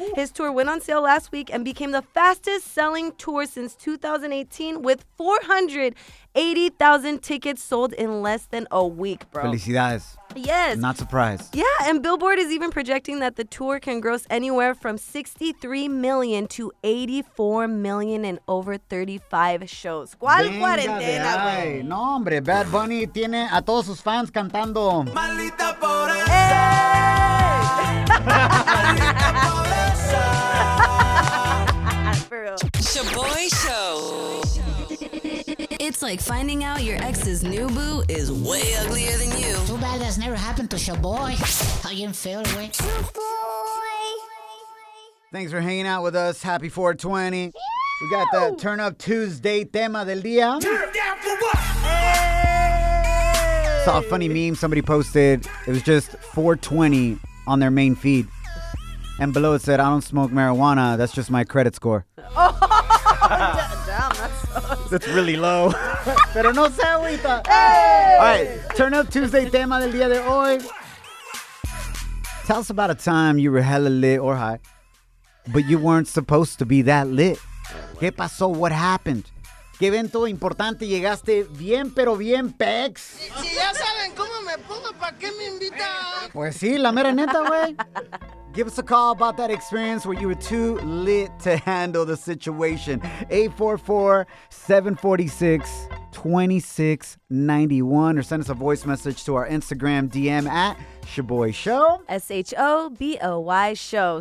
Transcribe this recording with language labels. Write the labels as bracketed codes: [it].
[en] His tour went on sale last week and became the fastest selling tour since 2018 with 480,000 tickets sold in less than a week, bro. [es] Felicidades. [en] Yes. Not surprised. Yeah, and Billboard is even projecting that the tour can gross anywhere from $63 million to $84 million in over 35 shows. [es] ¿Cuál cuarentena, güey? No, hombre, Bad Bunny tiene a todos sus fans cantando. Maldita pobreza. Maldita pobreza. [en] For real. Shaboy Show. It's like finding out your ex's new boo is way uglier than you. Too bad that's never happened to Shaboy. How you feel, boy? Shaboy! Thanks for hanging out with us. Happy 420. Yeah. We got the Turn Up Tuesday [es] tema del día. [en] Turn down for what? Hey. Saw a funny meme somebody posted. It was just 420 on their main feed. And below it said, I don't smoke marijuana. That's just my credit score. That's really low. [es] Pero no se agüita. Hey! [en] All right, Turn Up Tuesday [es] tema del día de hoy. [en] Tell us about a time you were hella lit or high, but you weren't supposed to be that lit. [es] ¿Qué pasó? [en] What happened? [es] ¿Qué evento importante llegaste bien, pero bien, pex? Si ya saben cómo me pongo, ¿para qué me invitan? Pues sí, la mera neta, güey. [en] Give us a call about that experience where you were too lit to handle the situation. 844-746-2691. Or send us a voice message to our Instagram DM at Shaboy Show. S-H-O-B-O-Y Show.